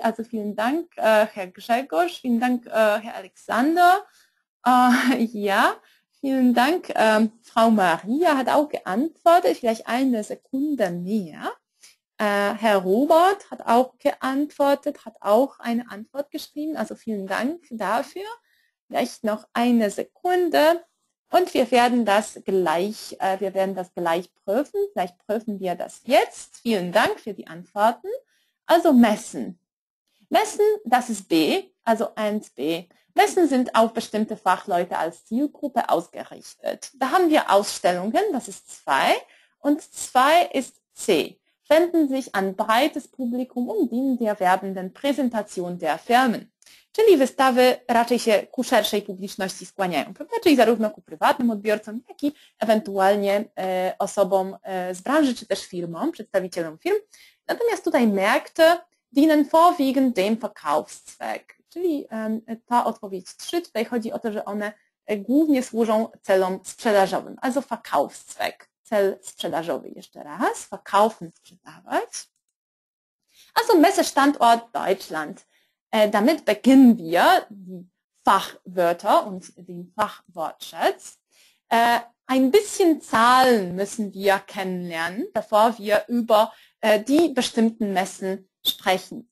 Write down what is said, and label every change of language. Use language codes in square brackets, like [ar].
[de] Also vielen Dank, Herr Grzegorz. Vielen Dank, Herr Alexander. Ja, vielen Dank, Frau Maria hat auch geantwortet. Vielleicht eine Sekunde mehr. Herr Robert hat auch geantwortet, hat auch eine Antwort geschrieben. Also vielen Dank dafür. Vielleicht noch eine Sekunde. Und wir werden das gleich, prüfen. Vielleicht prüfen wir das jetzt. Vielen Dank für die Antworten. Also Messen. Messen, das ist B, also 1b. Messen sind auf bestimmte Fachleute als Zielgruppe ausgerichtet. Da haben wir Ausstellungen, das ist 2. Und 2 ist C. Wenden sich an breites Publikum und dienen der werbenden Präsentation der Firmen. [pl] Czyli wystawy raczej się ku szerszej publiczności skłaniają, prawda? Czyli zarówno ku prywatnym odbiorcom, jak i ewentualnie osobom z branży, czy też firmom, przedstawicielom firm. Natomiast tutaj [de] Märkte dienen vorwiegend dem Verkaufszweck. [pl] Czyli ta odpowiedź 3, tutaj chodzi o to, że one głównie służą celom sprzedażowym, also Verkaufszweck. Cel sprzedażowy jeszcze raz, verkaufen, sprzedawać. [de] Also Messestandort Deutschland. Damit beginnen wir die Fachwörter und den Fachwortschatz. Ein bisschen Zahlen müssen wir kennenlernen, bevor wir über die bestimmten Messen sprechen.